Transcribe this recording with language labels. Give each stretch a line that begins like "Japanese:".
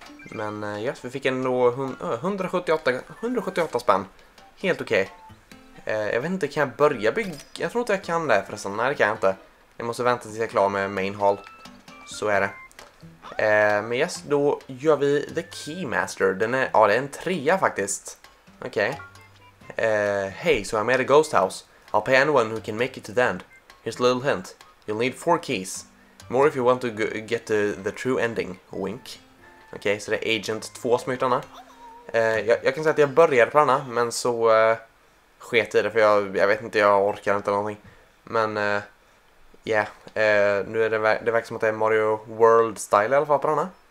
Swedish: Men yes, vi fick ändå 178 spänn. Helt okej. Okay. Jag vet inte, kan jag börja bygga? Jag tror inte jag kan det förresten. Nej, det kan jag inte. Jag måste vänta tills jag är klar med main hall. Så är det. Men yes, då gör vi The Keymaster. Den är, ja, det är en trea faktiskt. Okej.
English: Hey, so I'm at a ghost house. I'll pay anyone who can make it to the end. Here's a little hint. You'll need 4 keys. More if you want to get the true ending. Wink.
Swedish: Okej, okay, så det är Agent 2 som gjort denna. Jag kan säga att jag började på denna, men så sket i det, för jag vet inte, jag orkar inte någonting. Men ja, nu är det verkar som att det är Mario World style i alla fall på denna.